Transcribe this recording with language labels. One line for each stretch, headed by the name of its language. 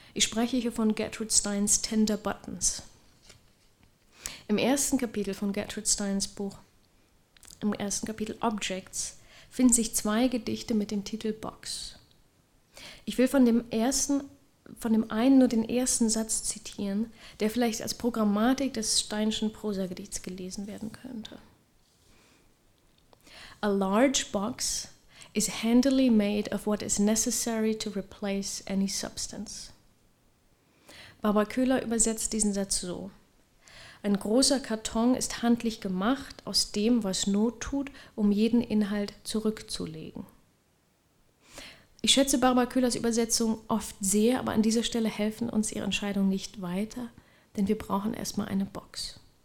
German: Ich spreche hier von Gertrude Steins Tender Buttons. Im ersten Kapitel von Gertrude Steins Buch, im ersten Kapitel Objects, finden sich zwei Gedichte mit dem Titel Box. Ich will von dem einen nur den ersten Satz zitieren, der vielleicht als Programmatik des Steinschen Prosagedichts gelesen werden könnte.
English: A large box is handily made of what is necessary to replace any substance.
German: Barbara Köhler übersetzt diesen Satz so. Ein großer Karton ist handlich gemacht aus dem, was Not tut, um jeden Inhalt zurückzulegen. Ich schätze Barbara Köhlers Übersetzung oft sehr, aber an dieser Stelle helfen uns ihre Entscheidungen nicht weiter, denn wir brauchen erstmal eine Box.